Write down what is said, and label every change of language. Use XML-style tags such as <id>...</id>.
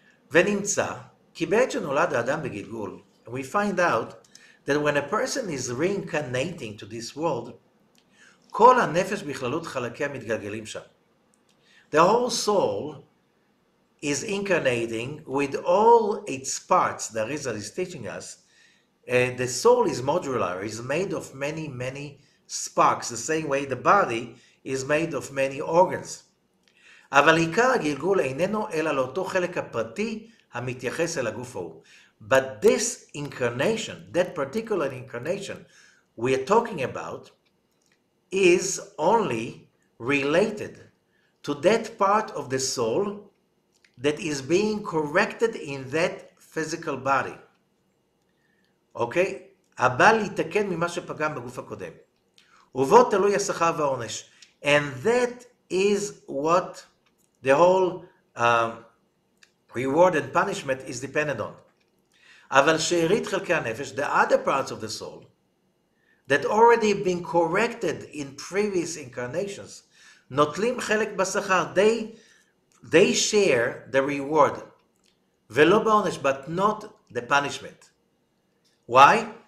<he>Venimza, ki be'et she'nolad ha'adam begilgul,</he> <en>we find out that when a person is reincarnating to this world,</en> <he>kol ha'nefesh bichlalut chalakeh mitgalgelim sham,</he> <en>the whole soul is incarnating with all its parts, the Arizal is teaching us, the soul is modular, is made of many, many sparks, the same way the body is made of many organs.</en> <he>אבל עיקר הגלגול איננו אלא לאותו חלק הפרטי המתייחס אל הגוף ההוא.</he> <en>But this incarnation, that particular incarnation we are talking about, is only related to that part of the soul that is being corrected in that physical body. Okay?</en> <he>הבא להתקן ממה שפגם בגוף הקודם. ובו תלוי השכר והעונש.</he> <en>And that is what the whole reward and punishment is dependent on.</en> <he>אבל שארית חלקי הנפש,</he> <en>the other parts of the soul that already been corrected in previous incarnations,</en> <he>נוטלים חלק בשכר,</he> <en>they share the reward,</en> <he>ולא בעונש,</he> <en>but not the punishment. Why?</en>